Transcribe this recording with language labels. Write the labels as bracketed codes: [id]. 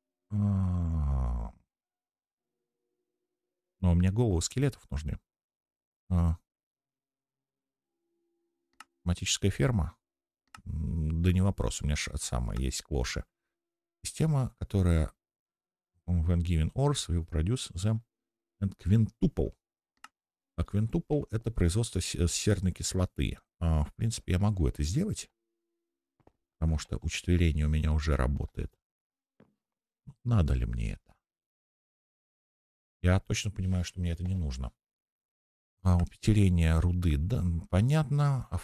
[ru] Но мне головы скелетов нужны. Автоматическая ферма? Да не вопрос, у меня же есть клоши. Система, которая [en] when given ores will produce them and quintuple. [ru] А quintuple — это производство серной кислоты. В принципе, я могу это сделать, потому что учетверение у меня уже работает. Надо ли мне это? Я точно понимаю, что мне это не нужно. Упетерение руды, да, понятно.